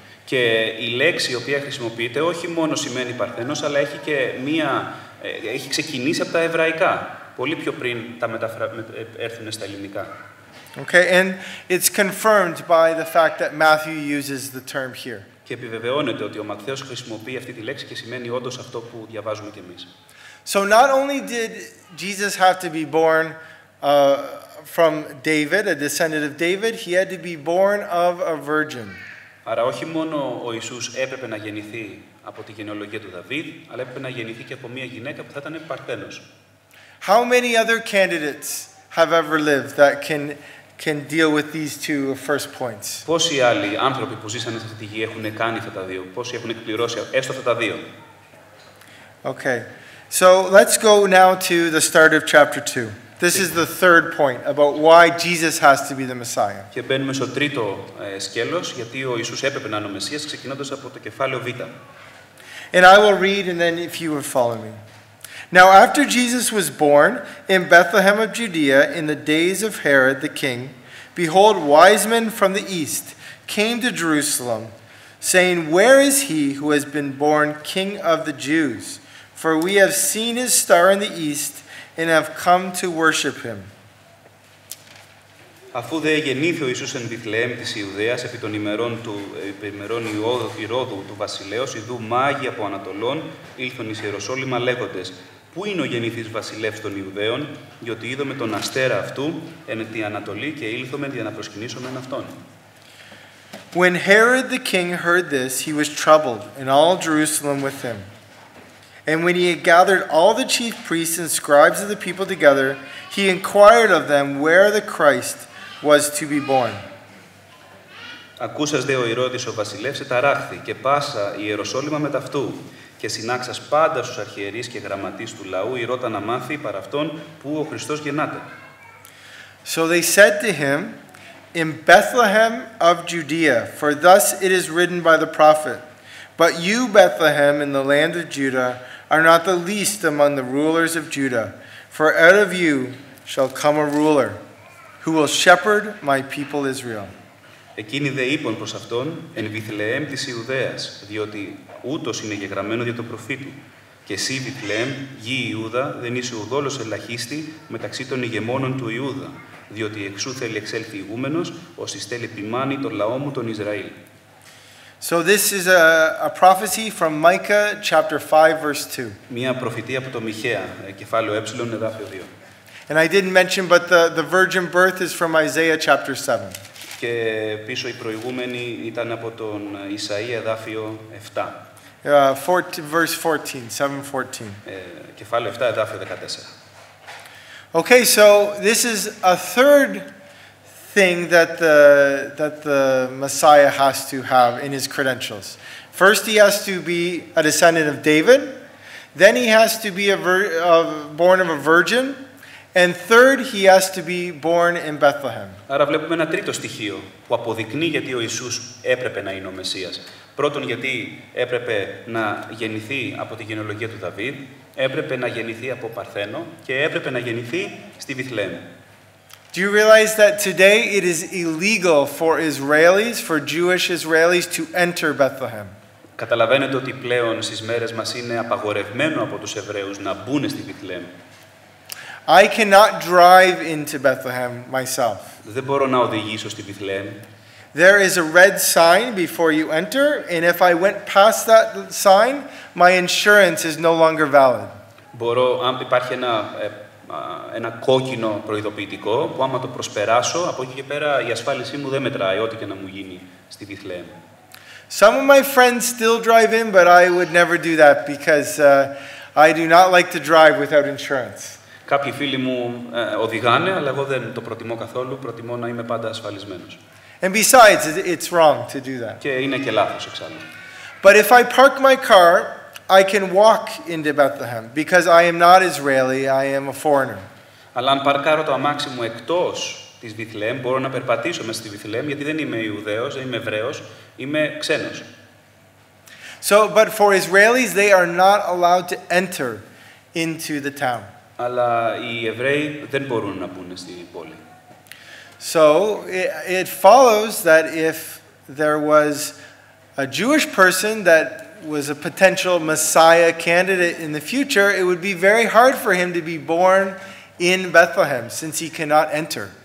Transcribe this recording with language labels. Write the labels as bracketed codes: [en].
[el] Και η λέξη η οποία χρησιμοποιείται όχι μόνο σημαίνει παρθένος, αλλά έχει και έχει ξεκινήσει από τα εβραϊκά, πολύ πιο πριν τα έρθουν στα ελληνικά. [en] Okay, and it's confirmed by the fact that Matthew uses the term here. [el] Και επιβεβαιώνεται ότι ο Ματθαίος χρησιμοποιεί αυτή τη λέξη και σημαίνει όντως αυτό που διαβάζουμε κι εμείς. [en] So not only did Jesus have to be born from David, a descendant of David, he had to be born of a virgin. [el] Άρα όχι μόνο ο Ιησούς έπρεπε να γεννηθεί από τη γενεολογία του Δαβίδ, αλλά έπρεπε να γεννηθεί και από μια γυναίκα που θα ήταν παρθένος. [en] How many other candidates have ever lived that can can deal with these two first points. [el] Πόσοι άλλοι άνθρωποι που ζήσανε σε αυτή τη γη έχουν κάνει αυτά τα δύο; Πόσοι έχουν εκπληρώσει έστω αυτά τα δύο; [en] Okay. So let's go now to the start of chapter 2. This is the third point about why Jesus has to be the Messiah. [el] Και μπαίνουμε στο τρίτο σκέλος, γιατί ο Ιησούς έπρεπε να είναι ο Μεσσίας, ξεκινώντας από το κεφάλαιο Β. [en] And I will read, and then if you would follow me. Now after Jesus was born in Bethlehem of Judea in the days of Herod the king, behold, wise men from the east came to Jerusalem, saying, Where is he who has been born king of the Jews? For we have seen his star in the east and have come to worship him. [el] Αφού δε γεννήθη ο Ιησούς εν Βηθλεέμ της Ιουδαίας επί των ημερών του Ηρώδου του βασιλέως, ιδού μάγοι από Ανατολών ήλθον εις Ιεροσόλυμα λέγοντες, Πού είναι ο γεννήθης βασιλεύς των Ιουδαίων, διότι είδομε τον αστέρα αυτού εν τη Ανατολή και ήλθομε για να προσκυνήσουμε αυτόν. [en] When Herod the king heard this, he was troubled, and all Jerusalem with him. And when he had gathered all the chief priests and scribes of the people together, he inquired of them where the Christ was to be born. [el] Ακούσας δε ο Ηρώδης ο βασιλεύς εταράχθη και πάσα Ιεροσόλυμα μετ' αυτού, και συνάξας πάντα στους αρχιερείς και γραμματείς του λαού η ρώτα να μάθει παρά αυτόν που ο Χριστός γεννάται. [en] So they said to him, In Bethlehem of Judea, for thus it is written by the prophet, But you, Bethlehem, in the land of Judah, are not the least among the rulers of Judah, for out of you shall come a ruler, who will shepherd my people Israel. [el] Εκείνοι δε είπαν προς αυτόν, εν Βηθλεέμ της Ιουδαίας, διότι ούτως είναι γεγραμμένο για το προφήτου. Και εσύ, Βηθλεέμ, γη Ιούδα, δεν είσαι ουδόλος ελαχίστη μεταξύ των ηγεμόνων του Ιούδα, διότι εξού θέλει εξέλθει ηγούμενος, ως εις θέλει ποιμάνει το λαό μου τον Ισραήλ. [en] So this is a prophecy from Micah chapter 5 verse 2. [el] Μια προφητεία από το Μιχαία, κεφάλαιο ε, εδάφιο 2. [en] And I didn't mention, but the virgin birth is from Isaiah chapter 7. [el] Και πίσω η προηγούμενη ήταν από τον Ισαΐα εδάφιο 7. [en] Verse 14. [el] Κεφάλαιο 7 εδάφιο 14. [en] Okay, so this is a third thing that the Messiah has to have in his credentials. First he has to be a descendant of David, then he has to be born of a virgin, and third he has to be born in Bethlehem. [el] Άρα βλέπουμε ένα τρίτο στοιχείο που αποδεικνύει γιατί ο Ιησούς έπρεπε να είναι ο Μεσσίας. Πρώτον γιατί έπρεπε να γεννηθεί από τη γενεολογία του Δαβίδ, έπρεπε να γεννηθεί από Παρθένο και έπρεπε να γεννηθεί στη Βηθλεέμ. [en] Do you realize that today it is illegal for Israelis, for Jewish Israelis to enter Bethlehem? [el] Καταλαβαίνετε ότι πλέον στις μέρες μας είναι απαγορευμένο από τους Εβραίους να μπουν στη Βηθλεέμ. [en] I cannot drive into Bethlehem myself. [el] Δεν μπορώ να οδηγήσω στη Βηθλεέμ. [en] There is a red sign before you enter, and if I went past that sign, my insurance is no longer valid. [el] Μπορώ, αν υπάρχει ένα κόκκινο προειδοποιητικό που άμα το προσπεράσω, από εκεί και πέρα η ασφάλισή μου δεν μετράει ό,τι και να μου γίνει στη Βηθλεέμ. [en] Some of my friends still drive in, but I would never do that because I do not like to drive without insurance. [el] Κάποιοι φίλοι μου οδηγάνε, αλλά εγώ δεν το προτιμώ καθόλου, προτιμώ να είμαι πάντα ασφαλισμένος. [en] And besides, it's wrong to do that. [el] Και είναι και λάθος εξάλλου. [en] But if I park my car, I can walk into Bethlehem because I am not Israeli, I am a foreigner. [el] Αλλά αν παρκάρω το αμάξι μου εκτός της Βηθλεέμ, μπορώ να περπατήσω μέσα στη Βηθλεέμ γιατί δεν είμαι Ιουδαίος, δεν είμαι Εβραίος, είμαι ξένος. [en] So, but for Israelis, they are not allowed to enter into the town. [el] Αλλά οι Εβραίοι δεν μπορούν να μπουν στη πόλη. [en] So it follows that if there was a Jewish person that was a potential Messiah candidate in the future, it would be very hard for him to be born in Bethlehem since he cannot enter.